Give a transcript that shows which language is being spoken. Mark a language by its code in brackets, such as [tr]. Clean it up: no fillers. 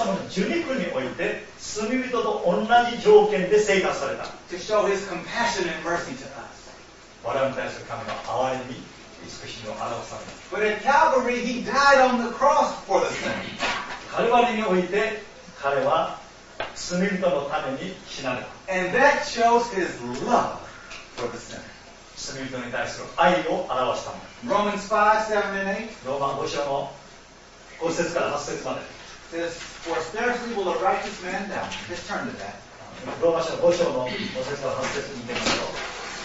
[ja] 受肉において、罪人と同じ条件で生活された。 [en] To show his compassion and mercy to us. [ja] 我々に対する神の憐れみ、慈しみを表された。 [en] But at Calvary, he died on the cross for the sin. [ja] カルバリにおいて、彼は罪人のために死なれた。 [en] And that shows his love for the sinner. [ja] 罪人に対する愛を表したもの。 [en] Romans 5:7-8. [ja] ローマ5章の5節から8節まで。 [en] It says, For scarcely will a righteous man die. Let's turn to that. [ja] ローマ書5章の5節から8節に見てみましょう。